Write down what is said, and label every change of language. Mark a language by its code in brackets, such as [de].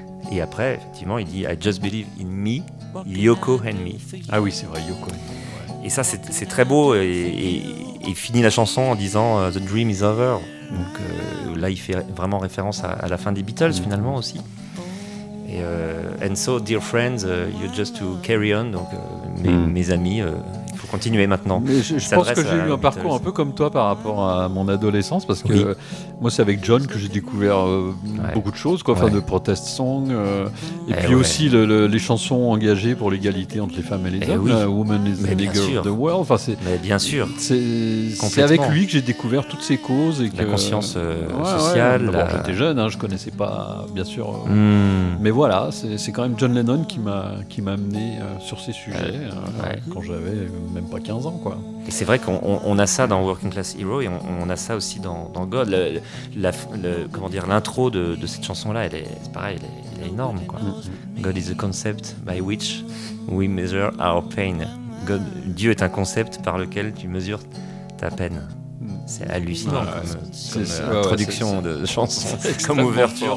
[fr] Et après, effectivement, il dit [en] I just believe in me, Yoko and me. [fr] Ah oui, c'est vrai, [en] Yoko and me. [fr] Et ça, c'est très beau. Et il finit la chanson en disant [en] The dream is over. [fr] Donc là, il fait vraiment référence à la fin des Beatles, finalement aussi. [en] Et and so, dear friends, you just to carry on. [fr] Donc, mes amis, il faut continuer maintenant. Mais je pense que j'ai eu un parcours un peu comme toi par rapport à mon adolescence, parce que moi, c'est avec John que j'ai découvert beaucoup de choses, quoi. Enfin, de protest songs, aussi les chansons engagées pour l'égalité entre les femmes et les hommes. Oui. [en] Women is the bigger of the world. [fr] Enfin, bien sûr. C'est avec lui que j'ai découvert toutes ces causes et la conscience sociale. Ouais. Bon, j'étais jeune, je connaissais pas, bien sûr. Mais voilà, c'est quand même John Lennon qui m'a amené sur ces sujets quand j'avais même pas 15 ans. Quoi. Et c'est vrai qu'on a ça dans Working Class Hero et on a ça aussi dans God. L'intro de cette chanson-là, elle est énorme. Quoi. Mm-hmm. [en] God is a concept by which we measure our pain. [fr] God, Dieu est un concept par lequel tu mesures ta peine. C'est hallucinant introduction de chanson, comme ouverture